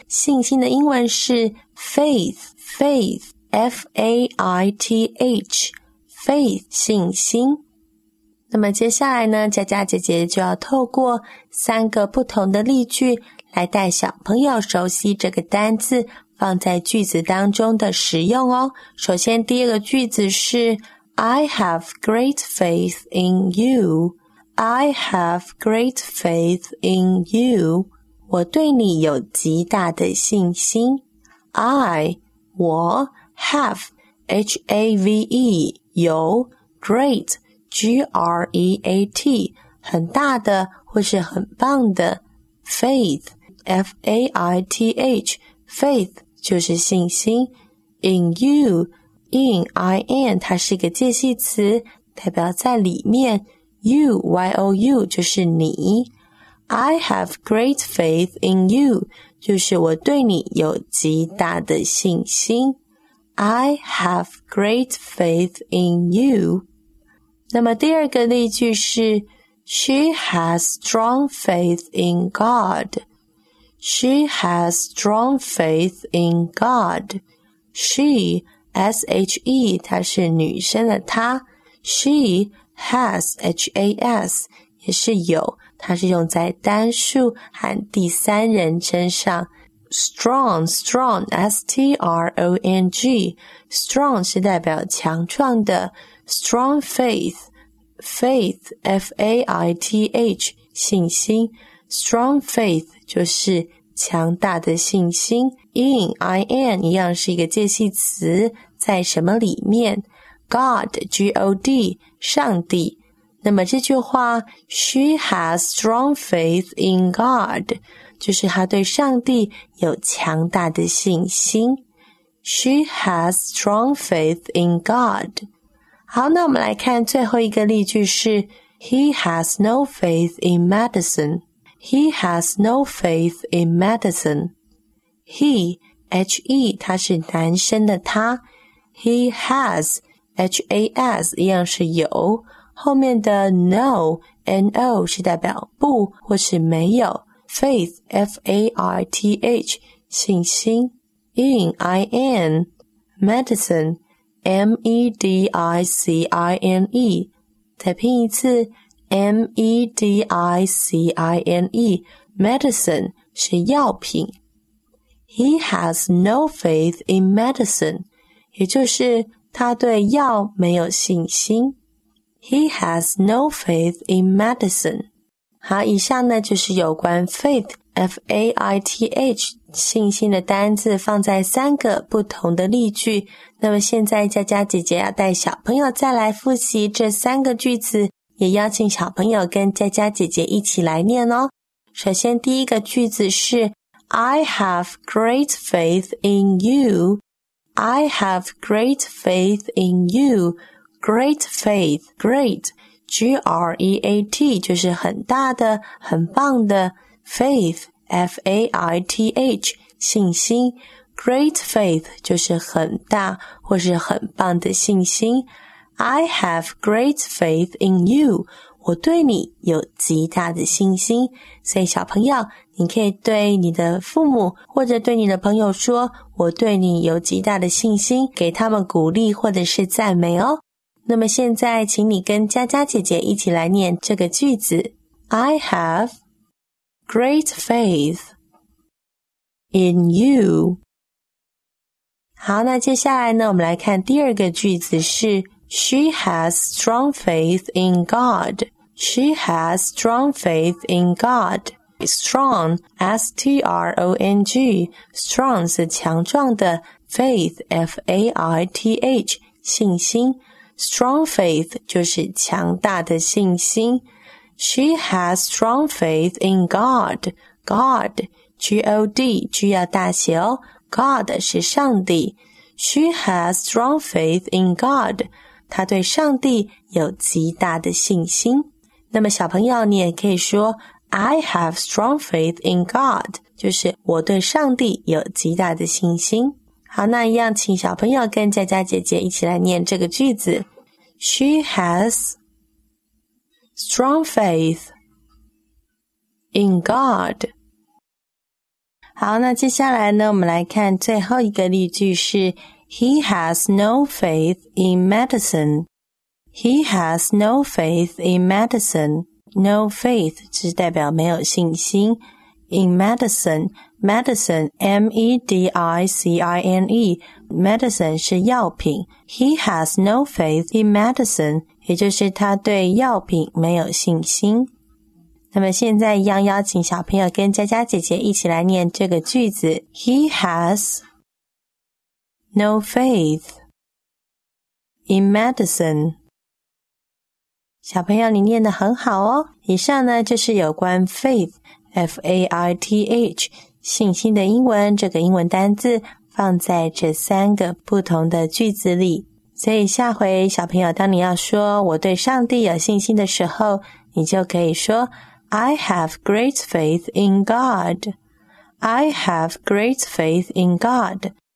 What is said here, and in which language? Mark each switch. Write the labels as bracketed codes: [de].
[zh] 信心的英文是 faith，F-A-I-T-H， faith， 信心。那么接下来呢，佳佳姐姐就要透过三个不同的例句来带小朋友熟悉这个单字放在句子当中的使用哦。首先第一个句子是 [en] I have great faith in you. I have great faith in you. [zh] 我对你有极大的信心。我 have, H-A-V-E, 有 great, G-R-E-A-T, 很大的或是很棒的 faith, F-A-I-T-H, faith 就是信心 in you,in, in, 它是一个介系词，代表在里面。 you, you, 就是你。 [en] I have great faith in you, [zh] 就是我对你有极大的信心。 [en] I have great faith in you. 那么第二个例句是 She has strong faith in God. She has strong faith in God. [zh] SheShE, 她是女生的她。 She has, H-A-S, 也是有，她是用在单数和第三人称上。 [en] Strong, strong, S-T-R-O-N-G, strong [zh] 是代表强壮的。 [en] Strong faith, faith, F-A-I-T-H, 信心。 Strong faith [zh] 就是强大的信心。 In, I-N, 一样是一个介系词。在什么里面 God, G-O-D, 上帝。那么这句话 [en] She has strong faith in God, [zh] 就是她对上帝有强大的信心。 [en] She has strong faith in God. [zh] 好，那我们来看最后一个例句是 [en] He has no faith in medicine. He has no faith in medicine. [zh] He, H-E, 他是男生的他。 He has, H-A-S, 一样是有，后面的 no, N-O, 是代表不或是没有。 [en] Faith, F-A-I-T-H, 信心。 In, I-N, medicine, M-E-D-I-C-I-N-E, [zh] 再拼一次 [en] M-E-D-I-C-I-N-E, medicine, [zh] 是药品。 [en] He has no faith in medicine. [zh] 也就是他对药没有信心。 [en] He has no faith in medicine. [zh] 好，以上呢就是有关 [en] faith, F-A-I-T-H, [zh] 信心的单字放在三个不同的例句。那么现在佳佳姐姐要带小朋友再来复习这三个句子，也邀请小朋友跟佳佳姐姐一起来念哦。首先第一个句子是 [en] I have great faith in you. I have great faith in you. Great faith, great, G-R-E-A-T, [zh] 就是很大的、很棒的 [en] faith, F-A-I-T-H, 信心。 Great faith, [zh] 就是很大或是很棒的信心。 [en] I have great faith in you. [zh] 我对你有极大的信心。所以小朋友，你可以对你的父母或者对你的朋友说我对你有极大的信心，给他们鼓励或者是赞美哦。那么现在请你跟佳佳姐姐一起来念这个句子。 [en] I have great faith in you. [zh] 好，那接下来呢，我们来看第二个句子是 [en] She has strong faith in God. She has strong faith in God. Strong, S-T-R-O-N-G, strong [zh] 是强壮的 [en] faith, F-A-I-T-H, 信心。Strong faith [zh] 就是强大的信心。 [en] She has strong faith in God. [zh] God, G-O-D, 句要大写哦。 God 是上帝。 [en] She has strong faith in God. [zh] 她对上帝有极大的信心。那么小朋友你也可以说 [en] I have strong faith in God. [zh] 就是我对上帝有极大的信心。好，那一样请小朋友跟佳佳姐姐一起来念这个句子。 [en] She has strong faith in God. [zh] 好，那接下来呢，我们来看最后一个例句是 [en] He has no faith in medicine. He has no faith in medicine. No faith [zh] 是代表没有信心。 [en] In medicine, medicine, M-E-D-I-C-I-N-E, medicine [zh] 是药品。 [en] He has no faith in medicine, [zh] 也就是他对药品没有信心。那么现在一样邀请小朋友跟佳佳姐姐一起来念这个句子。 [en] He has no faith in medicine. [zh] 小朋友你念得很好哦。以上呢就是有关 [en] faith, F-A-I-T-H, [zh] 信心的英文，这个英文单字放在这三个不同的句子里。所以下回小朋友当你要说我对上帝有信心的时候，你就可以说 [en] I have great faith in God. I have great faith in God.